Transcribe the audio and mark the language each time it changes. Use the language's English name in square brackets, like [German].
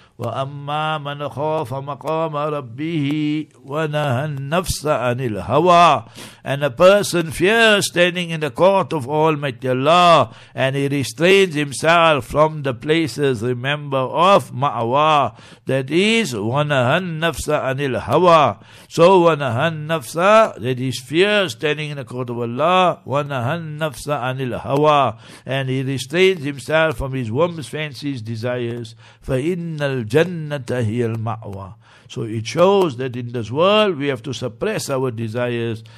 [Arabic] وَأَمَّا مَنْ خَوْفَ مَقَامَ رَبِّهِ وَنَهَا النَّفْسَ عَنِ الْهَوَى. [English] And a person fears standing in the court of Almighty Allah and he restrains himself from the places, remember, of ma'wa. That is, [Arabic] وَنَهَا النَّفْسَ عَنِ الْهَوَى. [English] So [Arabic] وَنَهَا النَّفْسَ, [English] that is fear standing in the court of Allah, [Arabic] وَنَهَا النَّفْسَ عَنِ الْهَوَى. [English] And he restrains himself from his whims, fancies, desires. [Arabic] فَإِنَّ الْجَنَّةَ هِيَ الْمَعْوَى. [English] So it shows that in this world we have to suppress our desires.